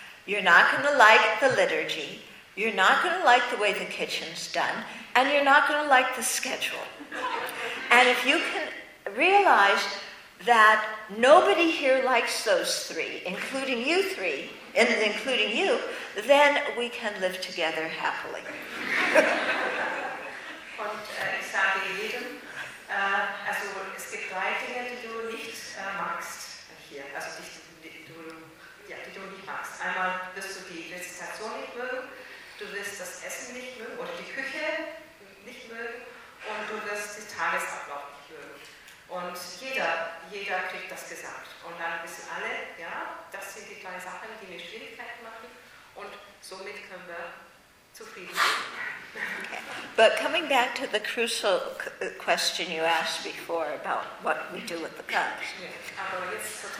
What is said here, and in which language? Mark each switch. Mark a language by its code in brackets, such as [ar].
[en] You're not going to like the liturgy, you're not going to like the way the kitchen's done, and you're not going to like the schedule. And if you can realize that nobody here likes those three, including you three, and including you, then we can live together happily. [de] Und ich sage jedem, also es gibt drei Dinge, die du nicht magst hier, also die du nicht magst. Einmal wirst du die Rezitation nicht mögen, du wirst das Essen nicht mögen oder die Küche nicht mögen und du wirst den Tagesablauf nicht mögen. Und jeder kriegt das gesagt. Und dann wissen alle, ja, das sind die drei Sachen, die mir Schwierigkeiten machen und somit können wir zufrieden sein. [en] Okay. But coming back to the crucial question you asked before about what we do with the cups.